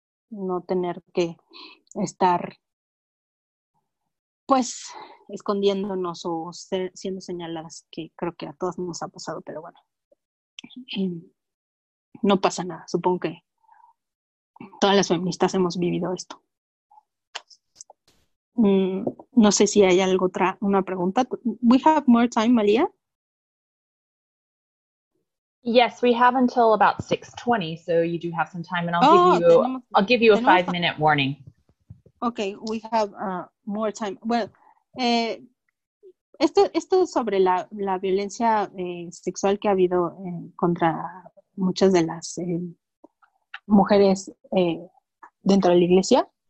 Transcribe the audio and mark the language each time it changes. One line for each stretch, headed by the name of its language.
Spanish: No tener que estar, pues, escondiéndonos o siendo señaladas, que creo que a todas nos ha pasado, pero bueno. No pasa nada, supongo que todas las feministas hemos vivido esto. No sé si hay algo una pregunta.
English: We have more time, Malia. Yes, we have until about 6:20, so you do have some time, and I'll give you a 5-minute warning. Okay, we have more time.
Spanish: Well, esto es sobre la violencia sexual que ha habido contra muchas de las mujeres dentro de la iglesia.